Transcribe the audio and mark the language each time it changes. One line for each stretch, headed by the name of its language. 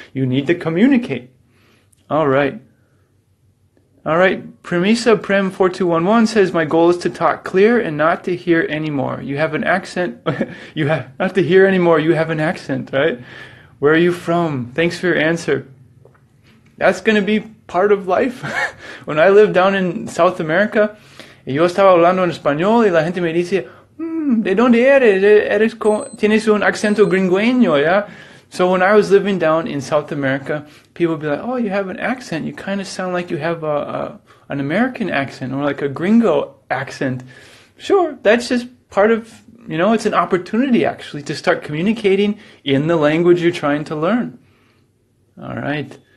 English: You need to communicate. All right. All right. Premisa Prem 4211 says, my goal is to talk clear and not to hear anymore. You have an accent. You have not to hear anymore. You have an accent, right? Where are you from? Thanks for your answer. That's going to be part of life. When I lived down in South America,
Spanish: yo estaba hablando en español y la gente me dice, ¿de dónde eres? ¿Tienes un acento gringueño, ya?
English: Yeah? So when I was living down in South America, people would be like, oh, you have an accent. You kind of sound like you have an American accent or like a gringo accent. Sure, that's just part of, you know, it's an opportunity actually to start communicating in the language you're trying to learn. All right.